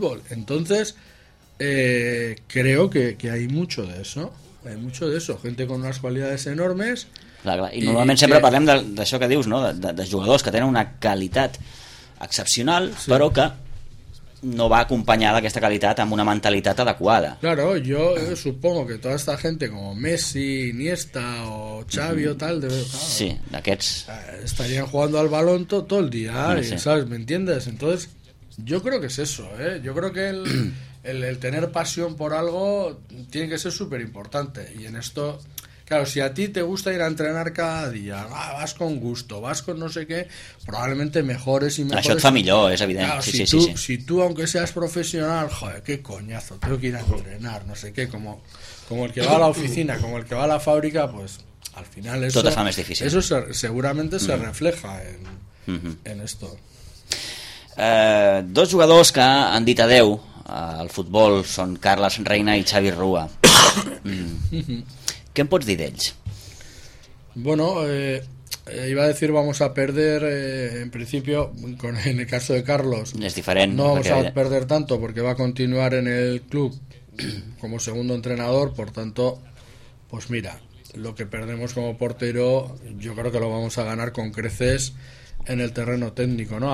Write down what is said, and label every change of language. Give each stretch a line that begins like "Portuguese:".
Spanish: Entonces, creo que hay mucho de eso. Hay mucho de eso. Gente con unas cualidades enormes.
Catalan: Clar. I normalment sempre parlem d'això que dius, no? de jugadors que tenen una qualitat excepcional, sí. Però que no va acompanyada aquesta qualitat amb una mentalitat adequada.
Spanish: Claro, yo supongo que toda esta gente como Messi, Iniesta o Xavi o tal, claro,
Catalan: sí, d'aquests
Spanish: estarían jugando al balón todo el día, no sé. ¿Sabes? ¿Me entiendes? Entonces, yo creo que es eso, ¿eh? Yo creo que el tener pasión por algo tiene que ser súper importante, y en esto... Claro, si a ti te gusta ir a entrenar cada día, vas con gusto, vas con no sé qué, probablemente mejores y mejores.
Catalan: Això et fa millor, és evident.
Spanish: Claro, sí. Si tú, aunque seas profesional, joder, qué coñazo, tengo que ir a entrenar, no sé qué, como el que va a la oficina, como el que va a la fábrica, pues al final eso... Tot es más difícil. Eso seguramente se refleja en esto.
Catalan: Dos jugadors que han dit adeu al futbol són Carles Reina i Xavi Rua.
Spanish: ¿Qué puedes decir de ellos? Bueno, iba a decir vamos a perder, en principio, en el caso de Carlos. Es diferente. No vamos a perder tanto porque va a continuar en el club como segundo entrenador. Por tanto, pues mira, lo que perdemos como portero yo creo que lo vamos a ganar con creces en el terreno técnico, ¿no?